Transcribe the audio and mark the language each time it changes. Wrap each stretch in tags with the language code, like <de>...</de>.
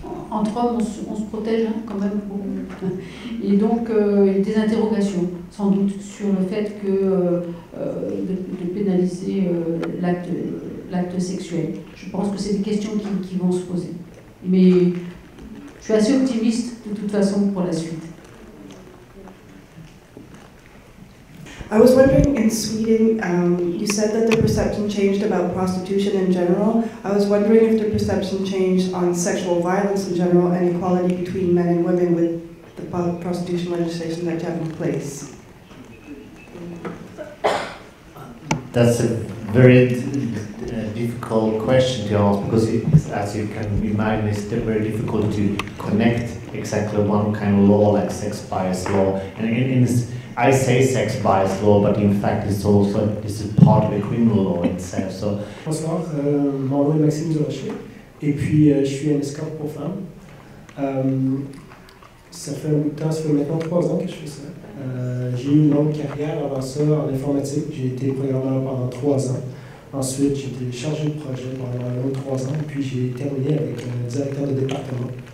<fr>entre hommes, on se protège hein, quand même. Et donc, il y a des interrogations, sans doute, sur le fait que de pénaliser l'acte sexuel. Je pense que c'est des questions qui vont se poser. Mais Je suis assez optimiste de toute façon pour la suite.</fr> <en>I was wondering, in Sweden, you said that the perception changed about prostitution in general. I was wondering if the perception changed on sexual violence in general and equality between men and women with the prostitution legislation that you have in place. That's a very difficult question to ask because, as you can imagine, it's very difficult to connect exactly one kind of law like sex bias law. And I say sex bias law, but in fact it's also this is part of the criminal law itself. So.</en> <fr>Bonsoir, mon nom est Maxime Durocher, et puis je suis un escorte pour femmes. Ça fait maintenant 3 ans que je fais ça. J'ai eu une longue carrière avant ça en informatique. J'ai été programmeur pendant 3 ans. Ensuite, j'ai été chargé de projet pendant un autre 3 ans, et puis j'ai terminé avec un directeur de département.</fr>